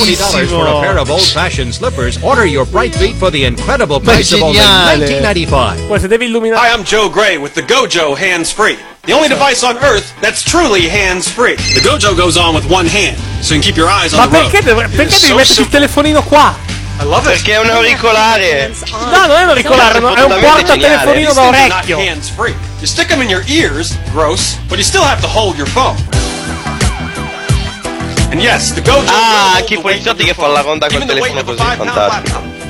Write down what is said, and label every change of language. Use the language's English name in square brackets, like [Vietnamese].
[English] For a pair of old-fashioned slippers, order your Bright Thief for the incredible price of only $19.95. [Italian] Devi illuminare. [English] Hi, I'm Joe Gray with the Gojo Hands Free. The only device on Earth that's truly hands-free. The Gojo goes on with one hand, so you can keep your eyes on [Italian] ma [English] the road. [Italian] Ma perché devi metterci il telefonino qua? [English] I love it. [Italian] Perché è un auricolare. No, non è un auricolare, no, è un portatelefonino da orecchio. [English] Hands-free. You stick them in your ears, gross, but you still have to hold your phone. And yes, the Gojo... [Italian] Ah, chi poliziotti che fa la ronda col telefono così, fantastico.